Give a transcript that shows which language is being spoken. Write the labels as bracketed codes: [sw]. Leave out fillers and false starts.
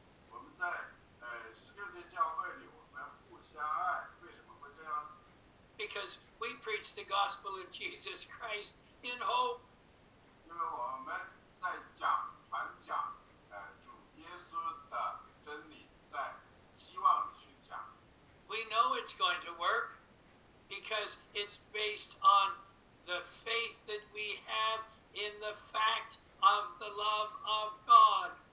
[zh] 我们在16th 教会里我们互相爱，为什么会这样？ [en] Because we preach the gospel of Jesus Christ in hope. [zh] 因为我们在传讲主耶稣的真理，在希望去讲。 [en] We know it's going to work because it's based on the faith that we have in the fact of the love of God.